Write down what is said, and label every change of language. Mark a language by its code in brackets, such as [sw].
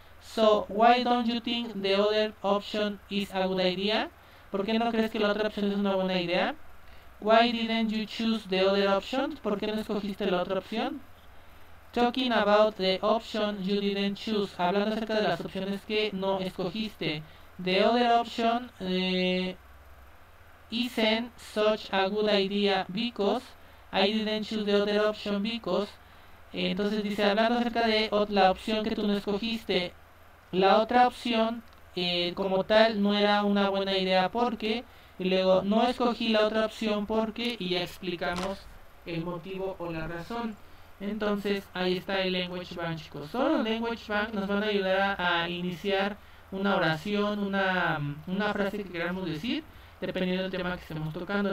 [en] So why don't you think the other option is a good idea? [es] ¿Por qué no crees que la otra opción es una buena idea? [en] Why didn't you choose the other option? [es] ¿Por qué no escogiste la otra opción? [en] Talking about the option you didn't choose, [es] hablando acerca de las opciones que no escogiste. [en] The other option isn't such a good idea because I didn't choose the other option because. [es] Entonces dice, hablando acerca de la opción que tú no escogiste, la otra opción como tal no era una buena idea porque, y luego no escogí la otra opción porque, y ya explicamos el motivo o la razón. Entonces, ahí está el Language Bank, chicos. Solo el Language Bank nos van a ayudar a iniciar una oración, una frase que queramos decir, dependiendo del tema que estemos tocando.